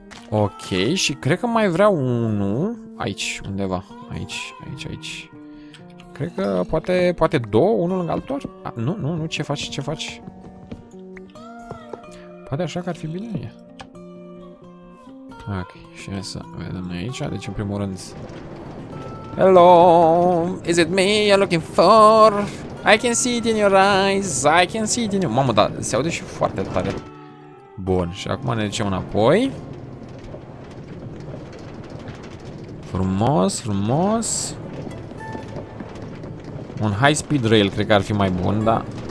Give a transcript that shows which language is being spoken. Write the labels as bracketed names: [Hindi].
[Romanian] Ok, și cred că mai vreau unul aici, undeva, aici, aici, aici. Cred că poate, poate două, unul lângă altul. A, nu, nu, nu, ce faci, ce faci? Poate așa că ar fi bine. Ok, și hai să vedem noi aici. Deci, în primul rând... [English] Hello, is it me you're looking for? I can see it in your eyes, I can see it in your... [Romanian] Mamă, dar se aude și foarte tare. Bun, și acum ne ducem înapoi. Frumos, frumos. Un high speed rail cred că ar fi mai bun, da.